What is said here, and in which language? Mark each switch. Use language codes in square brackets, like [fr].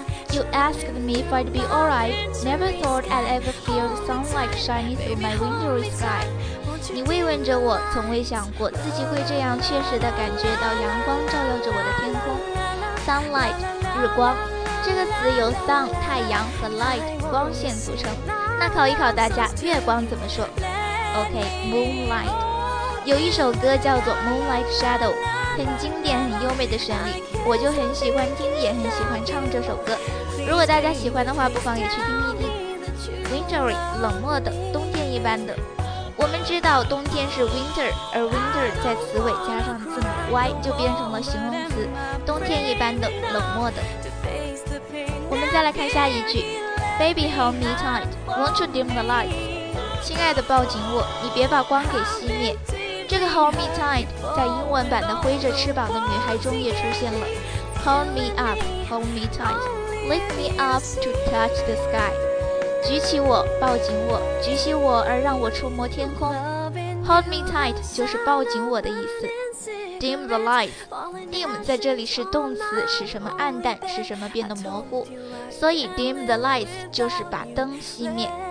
[en] You asked me if I'd be alright. Never thought I'd ever feel the sunlight shining through my wintry sky. [zh] 你慰问着我，从未想过自己会这样切实地感觉到阳光照耀着我的天空。 Sunlight， 日光。这个词由 sun 太阳和 light 光线组成。那考一考大家，月光怎么说 ？OK， moonlight。有一首歌叫做 Moonlight Shadow。很经典，很优美的旋律，我就很喜欢听，也很喜欢唱这首歌。如果大家喜欢的话，不妨也去听一听。Wintry， 冷漠的，冬天一般的。我们知道冬天是 winter， 而 winter 在词尾加上字母 y 就变成了形容词，冬天一般的，冷漠的。我们再来看下一句 ， [en] Baby hold me tight， won't you dim the light？ [zh] 亲爱的，抱紧我，你别把光给熄灭。这个 hold me tight 在英文版的挥着翅膀的女孩中也出现了。 [en] Hold me up, hold me tight, lift me up to touch the sky. [zh] 举起我，抱紧我，举起我而让我触摸天空。 Hold me tight 就是抱紧我的意思。Dim the light, dim 在这里是动词，使什么暗淡，使什么变得模糊，所以 dim the light 就是把灯熄灭。